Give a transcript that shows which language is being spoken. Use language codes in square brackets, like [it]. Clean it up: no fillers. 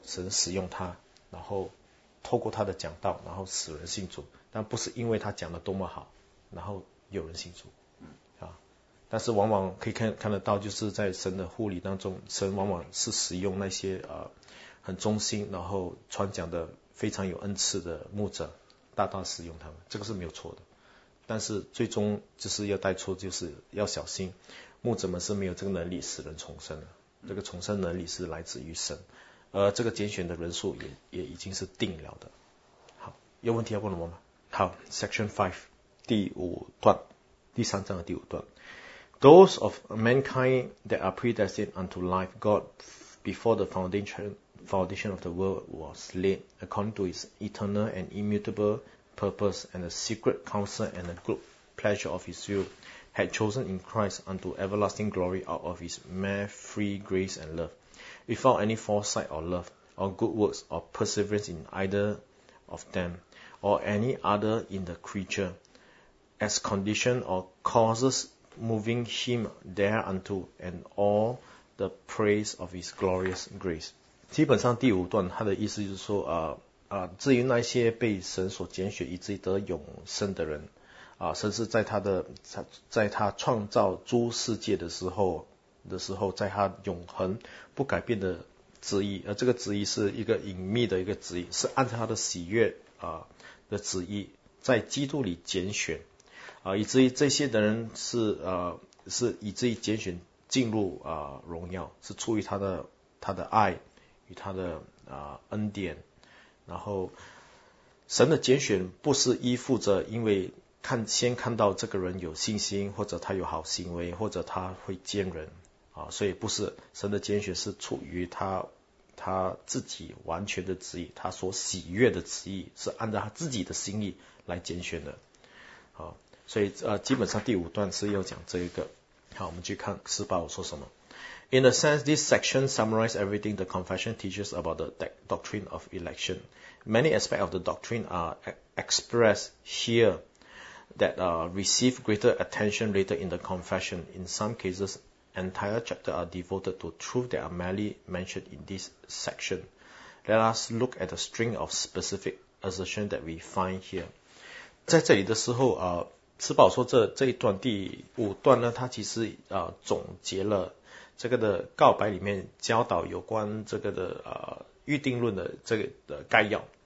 [zh] 神使用他，然后透过他的讲道，然后使人信主，但不是因为他讲的多么好，然后有人信主，但是往往可以看得到，就是在神的护理当中，神往往是使用那些很忠心，然后传讲的非常有恩赐的牧者，大大使用他们，这个是没有错的。但是最终就是要带出，就是要小心，牧者们是没有这个能力使人重生的。这个重生能力是来自于神，而这个拣选的人数也已经是定了的。好，有问题要问我吗？ [en] 好 ，Section 5， [zh] 第五段，第三章的第五段 [en] ，Those of mankind that are predestined unto life, God before the foundation of the world was laid according to his eternal and immutable purpose and the secret counsel and the good pleasure of his will had chosen in Christ unto everlasting glory out of his mere free grace and love without any foresight or love or good works or perseverance in either of them or any other in the creature as condition or causes moving him thereunto and all the praise of his glorious grace。 [zh] 基本上第五段他的意思就是说至于那些被神所拣选以至于得永生的人神是在他创造诸世界的时候，在他永恒不改变的旨意，而这个旨意是一个隐秘的一个旨意，是按照他的喜悦的旨意在基督里拣选以至于这些的人是以至于拣选进入荣耀，是出于他的爱与他的恩典。然后神的拣选不是依附着因为先看到这个人有信心，或者他有好行为，或者他会见人所以不是。神的拣选是出于他自己完全的旨意，他所喜悦的旨意，是按照他自己的心意来拣选的所以基本上第五段是要讲这一个。好，我们去看施宝说什么。 [en] In a sense, this section summarizes everything the confession teaches about the doctrine of election. Many aspects of the doctrine are expressed here that receive greater attention later in the confession. In some cases, entire chapter are devoted to truth that are merely mentioned in this section. Let us look at a string of specific assertions that we find here. [zh] 在这里的时候，施宝说这一段第五段呢，它其实总结了这个的告白里面教导有关这个的预定论的这个的概要。